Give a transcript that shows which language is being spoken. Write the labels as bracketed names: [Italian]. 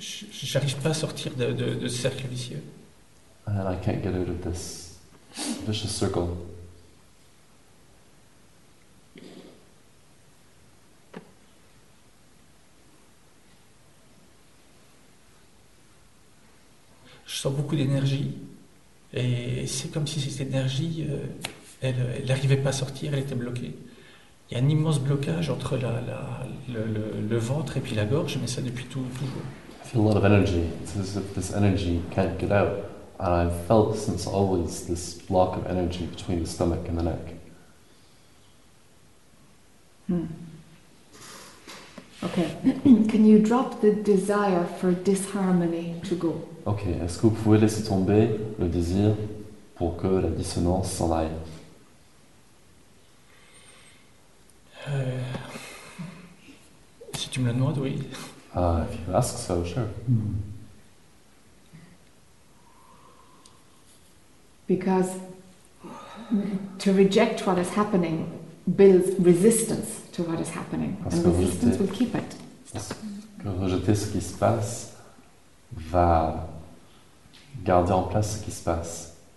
[French] J'arrive pas à sortir de ce cercle vicieux. [English] And I can't get out of this vicious circle. [French] Je sens beaucoup d'énergie et c'est comme si cette énergie, elle n'arrivait pas à sortir, elle était bloquée. Il y a un immense blocage entre le ventre et puis la gorge, mais ça depuis toujours. [English] I feel a lot of energy. It's as if this energy can't get out. And I've felt since always this block of energy between the stomach and the neck. Okay. Can you drop the desire for disharmony to go? Okay. [French] Est-ce que vous pouvez laisser tomber le désir pour que la dissonance s'en aille? Si tu me le demandes, oui. [English] If you ask so, sure. Because to reject what is happening builds resistance to what is happening. [French] Parce [English] and resistance will keep it. [French] Que rejeter ce qui se passe va garder en place ce qui se passe.